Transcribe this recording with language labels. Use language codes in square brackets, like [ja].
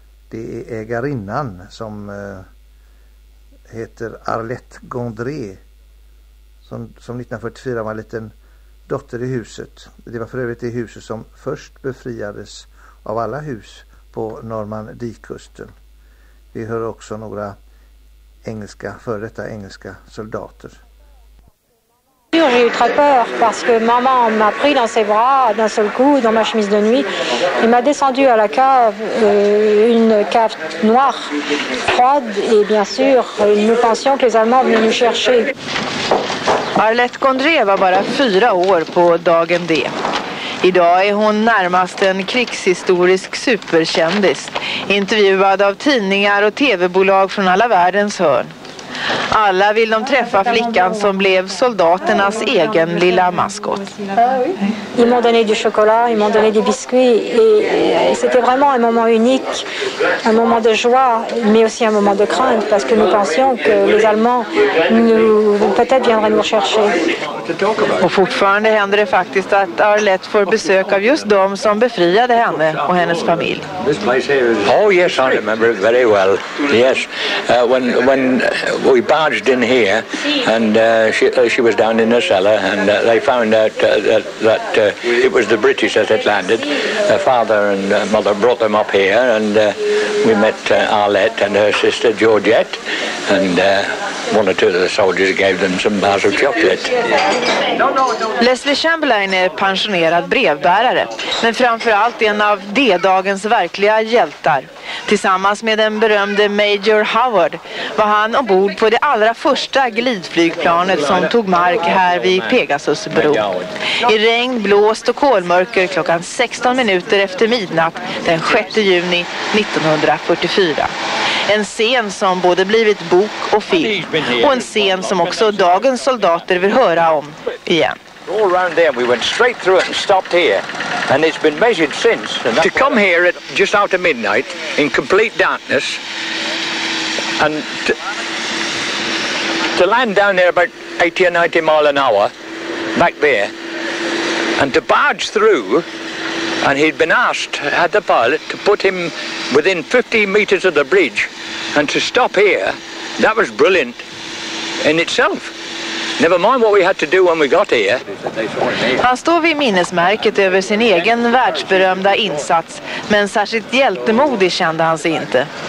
[sv] Det är ägarinnan som heter Arlette Gondré, som 1944 var en liten dotter i huset. Det var för övrigt det huset som först befriades av alla hus på Normandikusten. Vi hör också några engelska, före detta engelska soldater. [fr] J'ai eu très peur parce que maman m'a pris dans ses bras d'un seul coup dans ma chemise de nuit et m'a descendu à la cave, une cave noire, froide, et bien sûr nous pensions que les Allemands venaient nous chercher. [sv] Arlette Gondré var bara 4 år på dagen D. Idag är hon närmast en krigshistorisk superkändis, intervjuad av tidningar och tv-bolag från alla världens hörn. Alla vill de träffa flickan som blev soldaternas egen lilla maskot. [fr] Ils m'ont donné du chocolat, ils m'ont donné des biscuits et c'était vraiment un moment unique, un moment de joie mais aussi un moment de crainte parce que nous pensions que les Allemands nous peut-être viendraient nous chercher. [sv] Och fortfarande händer det faktiskt att Arlette får besök av just dem som befriade henne och hennes familj. [en] Oh yes, I remember it very well. Yes, when we barged in here and she was down in the cellar and they found out that it was the British that had landed. Her father and mother brought them up here and we met Arlette and her sister Georgette and one or two of the soldiers gave them some bars of chocolate. [sv] Leslie Chamberlain är pensionerad brevbärare, men framförallt en av D-dagens verkliga hjältar. Tillsammans med den berömde Major Howard var han ombord på det allra första glidflygplanet som tog mark här vid Pegasusbron. I regn, blåst och kolmörker klockan 16 minuter efter midnatt den 6 juni 1944. En scen som både blivit bok och film, och en scen som också dagens soldater vill höra om igen. [en] All around there, we went straight through it and stopped here, and it's been measured since. To come here at just after midnight in complete darkness, and to land down there about 80 or 90 mile an hour, back there, and to barge through, and he'd been asked, had the pilot, to put him within 50 meters of the bridge, and to stop here, that was brilliant in itself. Never mind what we had to do when we got here. [sv] Han står vid minnesmärket över sin egen världsberömda insats, men särskilt hjältemodig kände han sig inte.